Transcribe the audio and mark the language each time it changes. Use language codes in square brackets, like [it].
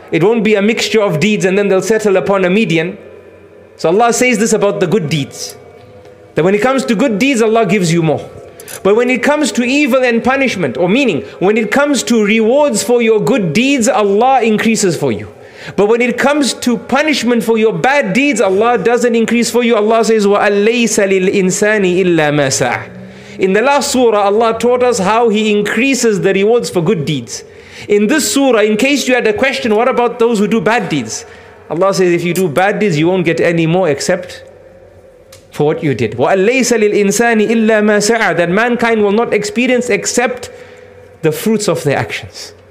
[en] It won't be a mixture of deeds and then they'll settle upon a median. So Allah says this about the good deeds. That when it comes to good deeds, Allah gives you more. But when it comes to evil and punishment, or meaning, when it comes to rewards for your good deeds, Allah increases for you. But when it comes to punishment for your bad deeds, Allah doesn't increase for you. Allah says, [ar] وَأَلَّيْسَ لِلْإِنسَانِ إِلَّا مَا سَعَى. [en] In the last surah, Allah taught us how He increases the rewards for good deeds. In this surah, in case you had a question, what about those who do bad deeds? Allah says, if you do bad deeds, you won't get any more except for what you did. [ar] وَأَلَّيْسَ لِلْإِنسَانِ إِلَّا مَا سَعَى. [en] That mankind will not experience except the fruits of their actions.